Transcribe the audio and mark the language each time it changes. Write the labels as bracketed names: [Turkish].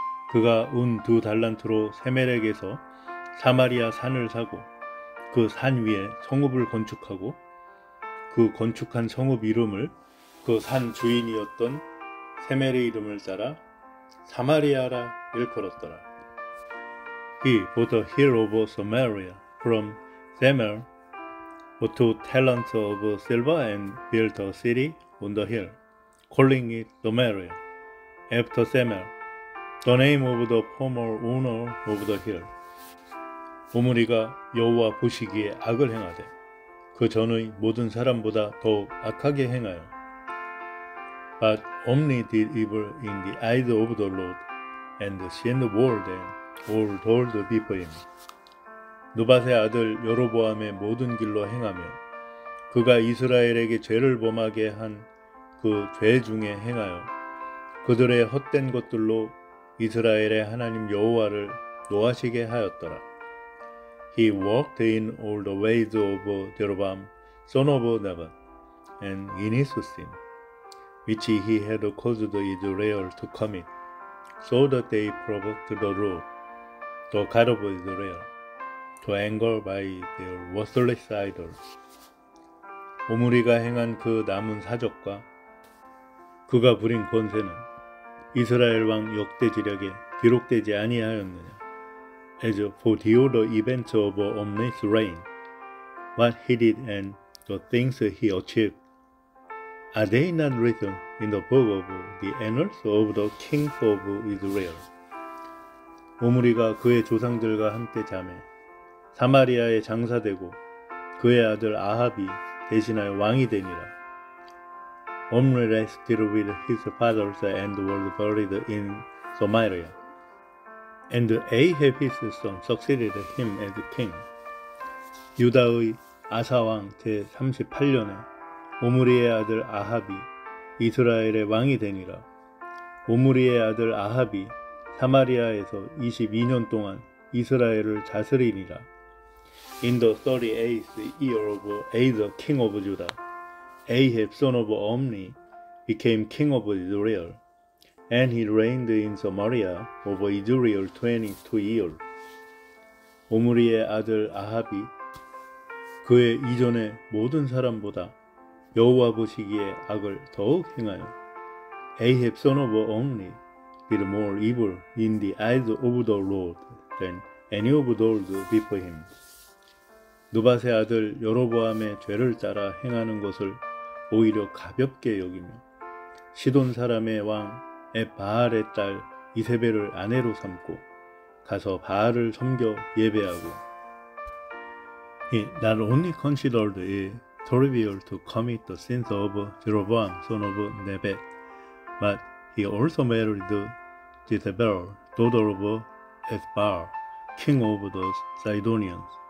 [Korean] 그가 운 두 달란트로 세멜렉에서 사마리아 산을 사고 그 산 위에 성읍을 건축하고 그 건축한 성읍 이름을 그 산 주인이었던 세멜의 이름을 따라 사마리아라 일컬었더라. [English] He bought a hill of Samaria from Semer for 2 talents of silver and built a city on the hill, calling it Samaria after Semer, the name of the former owner of the hill. [Korean] 오므리가 여호와 보시기에 악을 행하되 그 전의 모든 사람보다 더욱 악하게 행하여. [English] But only did evil in the eyes of the Lord, and sinned more than all told before him. [Korean] 누밧의 아들 여로보암의 모든 길로 행하며 그가 이스라엘에게 죄를 범하게 한 그 죄 중에 행하여 그들의 헛된 것들로 이스라엘의 하나님 여호와를 노하시게 하였더라. [English] He walked in all the ways of Jeroboam, son of Nebat, and in his sin, which he had caused Israel to commit, so that they provoked the Lord, the God of Israel, to anger by their worthless idols. [Korean] 오므리가 행한 그 남은 사적과 그가 부린 권세는 이스라엘 왕 역대지략에 기록되지 아니하였느냐? [English] As for the other events of Omri's reign, what he did and the things he achieved, are they not written in the book of the annals of the kings of Israel? [Korean] 오므리가 그의 조상들과 함께 잠에 사마리아에 장사되고 그의 아들 아합이 대신하여 왕이 되니라. [English] Omri rested with his fathers and was buried in Samaria. And Ahab his son succeeded him as king. [Korean] 유다의 아사왕 제38년에 오므리의 아들 아합이 이스라엘의 왕이 되니라. 오므리의 아들 아합이 사마리아에서 22년 동안 이스라엘을 다스리니라. [English] In the 38th year of Asa, king of Judah, Ahab, son of Omri, became king of Israel, and he reigned in Samaria over Israel 22 years. [Korean] 오므리의 아들 아합이 그의 이전의 모든 사람보다 여호와 보시기에 악을 더욱 행하여. [English] Ahab, son of Omri, did more evil in the eyes of the Lord than any of those before him. [Korean] 누밧의 아들 여로보암의 죄를 따라 행하는 것을 오히려 가볍게 여기며 시돈 사람의 왕 엣바알의 딸 이세벨을 아내로 삼고 가서 바알을 섬겨 예배하고 [English] He not only considered it trivial to commit the sins of Jeroboam, son of Nebat, but he also married Jezebel, daughter of Ethbaal, king of the Sidonians.